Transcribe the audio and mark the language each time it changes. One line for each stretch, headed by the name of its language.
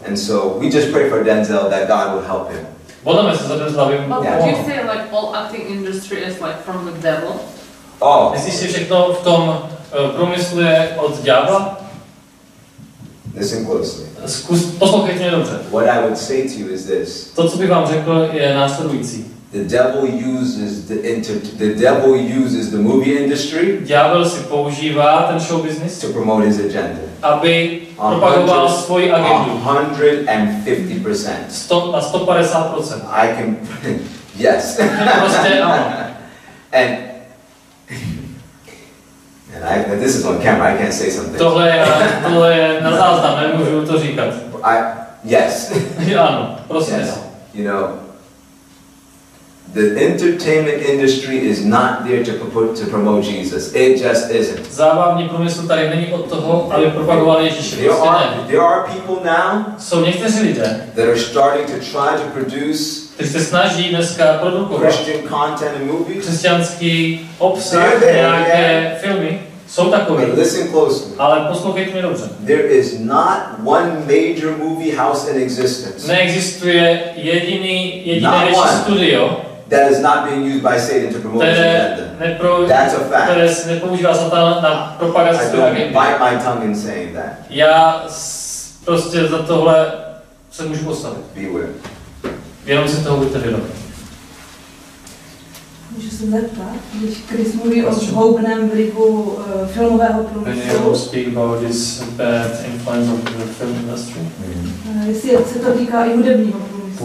English: And so we just pray for Denzel that God will help him.
Czech: Modlíme se za Denzela, aby mu pomohl.
English: But do you say like all acting industry is like from the devil? Oh.
Czech: Myslíš, že všechno v tom průmyslu je od ďábla?
English: Listen closely.
Czech: Poslouchejte mě dobře.
English: What I would say to you is this.
Czech: To, co bych vám řekl, je následující.
English: The devil uses the movie industry.
Czech: Ďábel si používá ten show business
English: to promote his agenda.
Czech: Aby propagoval svoji agendu.
English: 150%.
Czech: 150%.
English: I can. Yes.
Czech: Prostě ano.
English: And this is on camera. I can't say something.
Czech: Tohle je na záznam. Nemůžu to říkat.
English: Yes.
Czech: Ano. Prostě.
English: Yes. You know. The entertainment industry is not there to promote Jesus. It just isn't.
Czech: Zábavní průmysl tady není od toho, aby propagoval Ježíše.
English: There are people now.
Czech: Jsou někteří lidé.
English: That are starting to try to produce.
Czech: Kteří se snaží dneska produkovat.
English: Christian content and movies.
Czech: Křesťanský obsah, nějaké filmy. Jsou takové.
English: But listen closely.
Czech: Ale poslouchejte mě dobře.
English: There is not one major movie house in existence.
Czech: Neexistuje jediné větší studio.
English: That is not being used by Satan to promote his agenda. That's a fact.
Czech: Které se nepoužívá Satan na propagaci svého agendy.
English: I don't bite my tongue in saying that.
Czech: Já prostě za tohle se můžu postavit.
English: Beware.
Czech: Jenom si toho buďte vědomi. Můžu se zeptat, když Chris mluví o zhoubném vlivu filmového průmyslu.
English: When you speak about this bad influence of the film industry.
Czech: Jestli se to týká i hudebního průmyslu.